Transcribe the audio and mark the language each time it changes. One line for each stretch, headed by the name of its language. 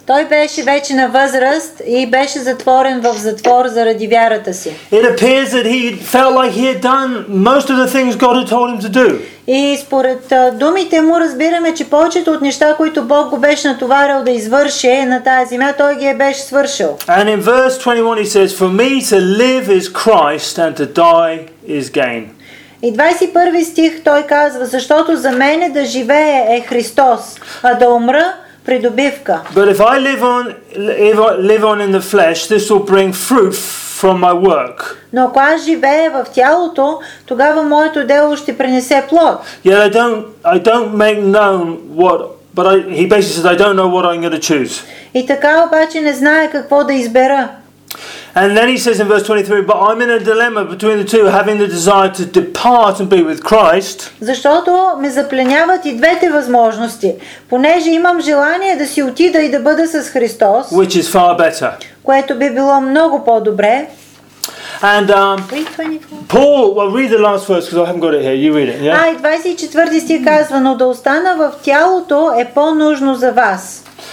Bulgarian: Той беше вече на възраст и беше затворен в затвор заради вярата си.
English: It appears that he felt like he had done most of the things God had told him to do.
Bulgarian: И според думите му разбираме, че повечето от неща, които Бог го беше натоварил да извърши на тази земя, той ги беше свършил.
English: And in verse 21 he says, "For me to live is Christ, and to die is gain."
Bulgarian: И 21 стих той казва, защото за мене да живее е Христос, а да умра придобивка.
English: But if I live on in the flesh, this will bring fruit from my work.
Bulgarian: Но ако аз живея в тялото, тогава моето дело ще принесе плод.
English: Yet I don't make known what, but he basically says I don't know what I'm going to choose.
Bulgarian: И така обаче не знае какво да избера.
English: And then he says in verse 23, but I'm in a dilemma between the two, having the desire to depart and be with Christ.
Bulgarian: Защото ме запленяват и двете възможности, понеже имам желание да си отида и да бъда с Христос.
English: Which is far better.
Bulgarian: Което би било много по-добре.
English: And Paul, well, read the last verse because I haven't got it here. You read it. Yeah.
Bulgarian: 24 стих казва, но да остана в тялото е по-нужно за вас.